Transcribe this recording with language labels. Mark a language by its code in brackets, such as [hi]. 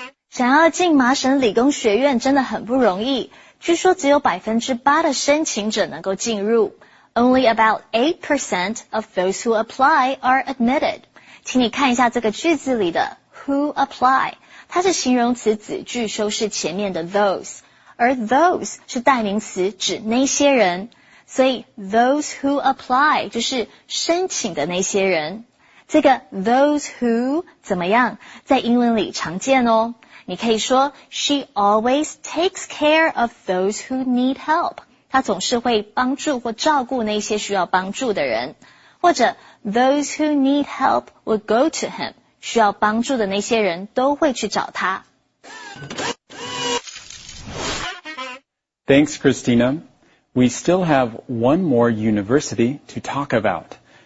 [zh] 想要进麻省理工学院真的很不容易。据说只有 8% 的申请者能够进入。 [en] Only about 8% of those who apply are admitted. [zh] 请你看一下这个句子里的 who apply. 它是形容词子句修饰前面的 those. 而 those 是代名词指那些人。所以 those who apply 就是申请的那些人。这个 those who 怎么样在英文里常见哦。你可以说 [en] she always takes care of those who need help. [zh] 她总是会帮助或照顾那些需要帮助的人。或者 [en] those who need help will go to him, [zh] 需要帮助的那些人都会去找他。 [en] Thanks, Christina. We still have one more university to talk about.